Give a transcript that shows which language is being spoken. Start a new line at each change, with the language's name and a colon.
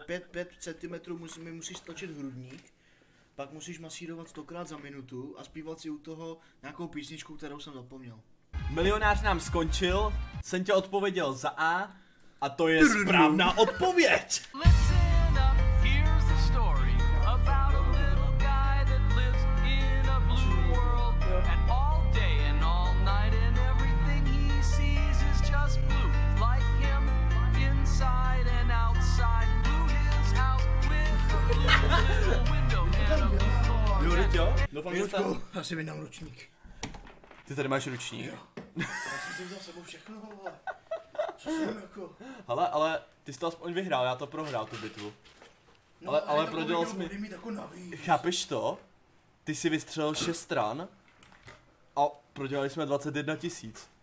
Czech: 5 cm mi musíš stlačit hrudník, pak musíš masírovat 100x za minutu a zpívat si u toho nějakou písničku, kterou jsem zapomněl. Milionář nám skončil, jsem tě odpověděl za A, a to je správná odpověď.
English: Listen up, here's a story about a little guy that lives in a blue world. And all day and all night and everything he sees is just blue. Like him, inside and outside. Blue his house with a blue little window and a blue floor.
Czech: Jure, jo? Jurečku, já si vydám ručník. Ty tady máš ručník? Jo. Já jsem si vzal sebou všechno, ale... Co jsem jako... Hele, ale ty jsi to aspoň vyhrál, já to prohrál tu bitvu. No, ale prodělal jsi mi... Chápeš to? Ty jsi vystřelil 6 stran a prodělali jsme 21 tisíc.